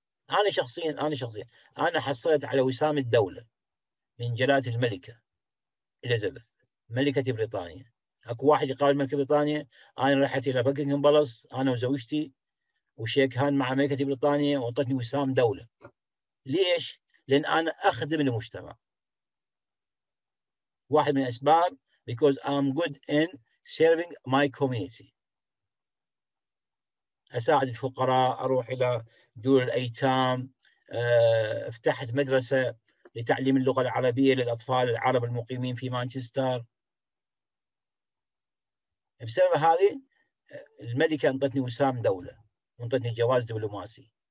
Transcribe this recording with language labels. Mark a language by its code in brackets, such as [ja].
[ar] انا شخصيا حصلت على وسام الدوله من جلاله الملكه اليزابيث ملكه بريطانيا. اكو واحد قال ملكه بريطانيا، انا رحت الى بكنغهام بالاس انا وزوجتي وشيك هان مع أمريكا بريطانيا وعطتني وسام دولة. ليش؟ لأن أنا أخدم المجتمع. واحد من الأسباب [en] because I'm good in serving my community. [ar] أساعد الفقراء، أروح إلى دور الأيتام، افتحت مدرسة لتعليم اللغة العربية للأطفال العرب المقيمين في مانشستر. بسبب هذه الملكة أعطتني وسام دولة، وانطتني جواز دبلوماسي.